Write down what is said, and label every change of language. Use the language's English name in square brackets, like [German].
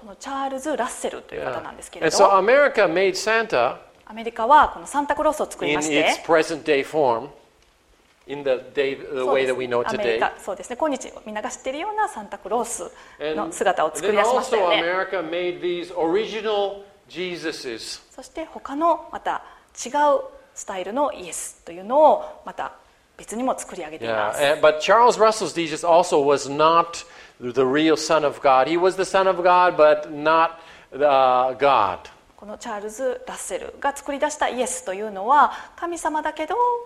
[Japanese] このチャールズ・ラッセルという方なんですけれど。 [English] And so America made Santa. [Japanese] アメリカはこのサンタクロースを作りまして。 [English] In its present day form. In the day, the way that we know today. [Japanese] そうですね。今日みんなが知っているようなサンタクロースの姿を作り出しましたよね。 [English] And then also America made these original Jesuses. [Japanese] そして他のまた違うスタイルのイエスというのをまた別にも作り上げています。 [English] Yeah. But Charles Russell's Jesus also was not the real Son of God. He was the Son of God, but not God. [Japanese] このチャールズ・ラッセルが作り出したイエスというのは神様だけど。